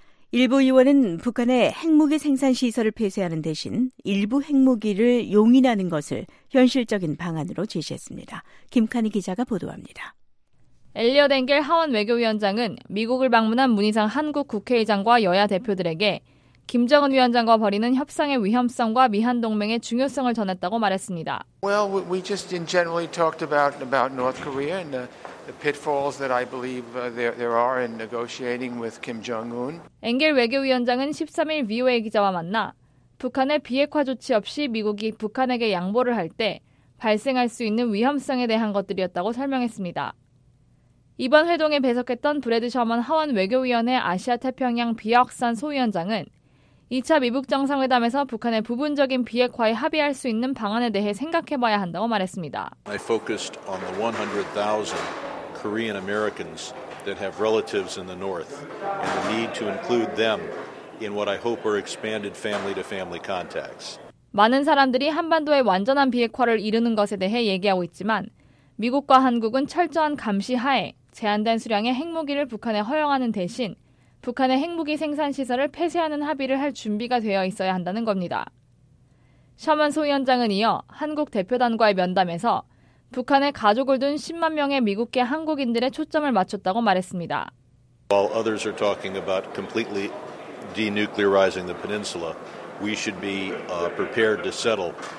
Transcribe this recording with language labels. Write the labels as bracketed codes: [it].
[ko] 일부 의원은 북한의 핵무기 생산시설을 폐쇄하는 대신 일부 핵무기를 용인하는 것을 현실적인 방안으로 제시했습니다. 김카니 기자가 보도합니다. 엘리엇 앵겔 하원 외교위원장은 미국을 방문한 문희상 한국 국회의장과 여야 대표들에게 김정은 위원장과 벌이는 협상의 위험성과 미한 동맹의 중요성을 전했다고 말했습니다. [en] Well, we just in generally talked about North Korea and the pitfalls that I believe there are in negotiating with Kim Jong-un. [ko] 앵겔 외교위원장은 13일 VOA 기자와 만나 북한의 비핵화 조치 없이 미국이 북한에게 양보를 할 때 발생할 수 있는 위험성에 대한 것들이었다고 설명했습니다. 이번 회동에 배석했던 브래드 셔먼 하원 외교위원회 아시아태평양 비확산 소위원장은 2차 미북 정상회담에서 북한의 부분적인 비핵화에 합의할 수 있는 방안에 대해 생각해봐야 한다고 말했습니다. [en] I focused on the 100,000 Korean Americans that have relatives in the North and the need to include them in what I hope are expanded family-to-family contacts. [ko] 많은 사람들이 한반도의 완전한 비핵화를 이루는 것에 대해 얘기하고 있지만 미국과 한국은 철저한 감시하에 제한된 수량의 핵무기를 북한에 허용하는 대신 북한의 핵무기 생산 시설을 폐쇄하는 합의를 할 준비가 되어 있어야 한다는 겁니다. 셔먼 소위원장은 이어 한국 대표단과의 면담에서 북한의 가족을 둔 10만 명의 미국계 한국인들의 초점을 맞췄다고 말했습니다. [en] While others are talking about completely denuclearizing the peninsula, we should be prepared to settle